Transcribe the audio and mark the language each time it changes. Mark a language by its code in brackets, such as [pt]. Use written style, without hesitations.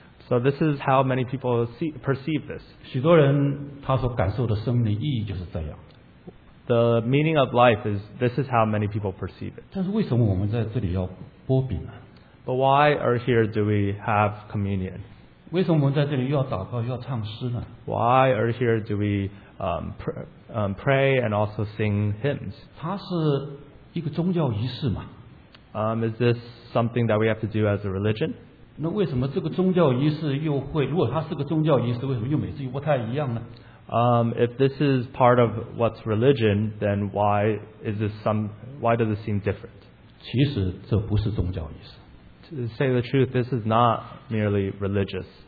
[en] So this is how many people perceive this. [zh] 许多人他所感受的生命的意义就是这样。 [en] The meaning of life is this is how many people perceive it. [zh] 但是为什么我们在这里要擘饼呢？ [en] But why are here do we have communion? [zh] 为什么我们在这里又要祷告又要唱诗呢？ [en] Why are here do we pray and also sing hymns? [zh] 它是一个宗教仪式嘛。 [en] Is this something that we have to do as a religion? [zh] 那为什么这个宗教仪式又会，如果它是个宗教仪式，为什么又每次又不太一样呢？ [en] If this is part of what's religion, then why is this some? Why does it seem different? [zh] 其实这不是宗教仪式。 [en] To say the truth, this is not merely religious.